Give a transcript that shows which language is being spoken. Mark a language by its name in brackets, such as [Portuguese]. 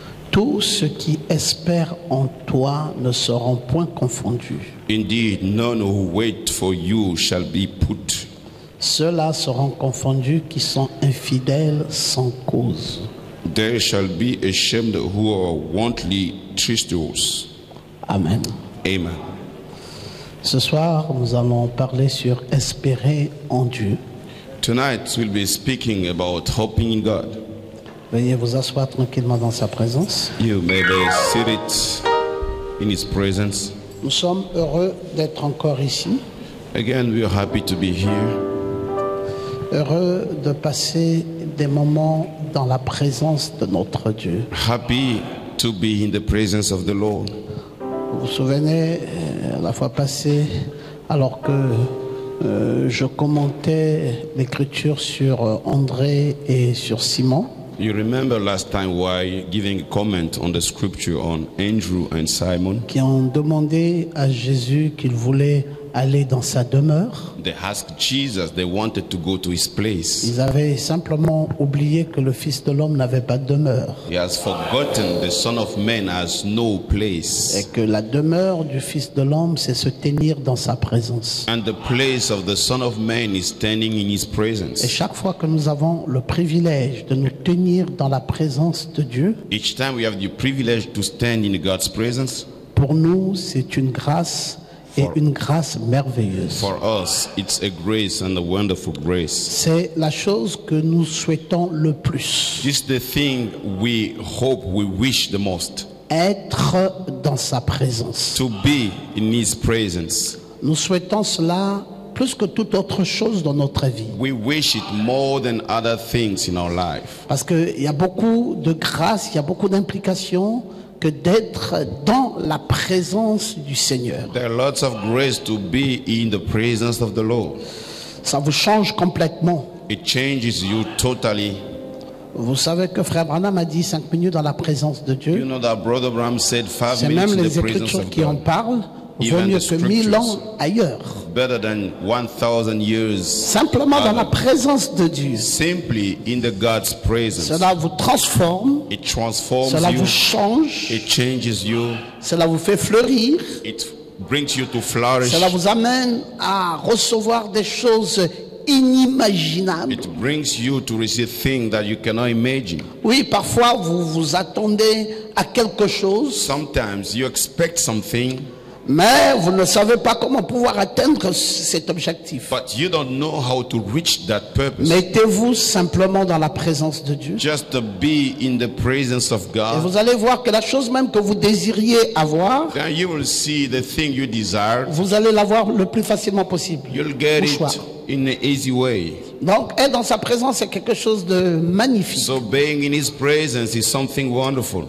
[French] Tous ceux qui espèrent en toi ne seront point confondus. [English] Indeed, none who wait for you shall be put. [French] Ceux-là seront confondus qui sont infidèles sans cause. [English] There shall be ashamed who are wantonly treacherous. Amen. Amen. [French] Ce soir, nous allons parler sur espérer en Dieu. [English] Tonight we'll be speaking about hoping in God. [French] Veuillez vous asseoir tranquillement dans sa présence. [English] You may be seated in his presence. [French] Nous sommes heureux d'être encore ici. [English] Again, we are happy to be here. [French] Heureux de passer des moments dans la présence de notre Dieu. [English] Happy to be in the presence of the Lord. [French] Vous vous souvenez, la fois passée, alors que je commentais l'écriture sur André et sur Simon. [English] You remember last time why giving a comment on the scripture on Andrew and Simon? [French] Qui ont demandé à Jésus qu'ils voulaient aller dans sa demeure. [English] They asked Jesus, they wanted to go to his place. [French] Ils avaient simplement oublié que le Fils de l'homme n'avait pas de demeure. [English] He has forgotten the Son of Man has no place. [French] Et que la demeure du Fils de l'homme, c'est se tenir dans sa présence. [English] And the place of the Son of Man is standing in his presence. [French] Et chaque fois que nous avons le privilège de nous tenir dans la présence de Dieu, [English] each time we have the privilege to stand in God's presence, [French] pour nous, c'est une grâce et une grâce merveilleuse. [English] For us, it's a grace and a wonderful grace. [French] C'est la chose que nous souhaitons le plus. [English] This is the thing we hope, we wish the most. [French] Être dans sa présence. [English] To be in his presence. [French] Nous souhaitons cela plus que toute autre chose dans notre vie. [English] We wish it more than other things in our life. [French] Parce que il y a beaucoup de grâce, il y a beaucoup d'implications que d'être dans la présence du Seigneur. [English] There are lots of grace to be in the presence of the Lord. [French] Ça vous change complètement. [English] It changes you totally. [French] Vous savez que Frère Branham a dit 5 minutes dans la présence de Dieu. [English] You know that Brother Branham said 5 minutes in the presence of God. [French] C'est même les Écritures qui en parlent. Vaut mieux que 1000 ans ailleurs. [English] Better than 1000 years. [French] Simplement dans la présence de Dieu. [English] Simply in the God's presence. [French] Cela vous transforme. [English] It transforms [French] cela [English] you. [French] Cela vous change. [English] It changes you. [French] Cela vous fait fleurir. [English] It brings you to flourish. [French] Cela vous amène à recevoir des choses inimaginables. [English] It brings you to receive things that you cannot imagine. [French] Oui, parfois vous vous attendez à quelque chose. [English] Sometimes you expect something. [French] Mais vous ne savez pas comment pouvoir atteindre cet objectif. [English] But you don't know how to reach that purpose. [French] Mettez-vous simplement dans la présence de Dieu. [English] Just to be in the presence of God. [French] Et vous allez voir que la chose même que vous désiriez avoir, [English] then you will see the thing you desire. [French] Vous allez l'avoir le plus facilement possible. [English] You'll get it in an easy way. [French] Donc être dans sa présence est quelque chose de magnifique. [English] So being in his presence is something wonderful.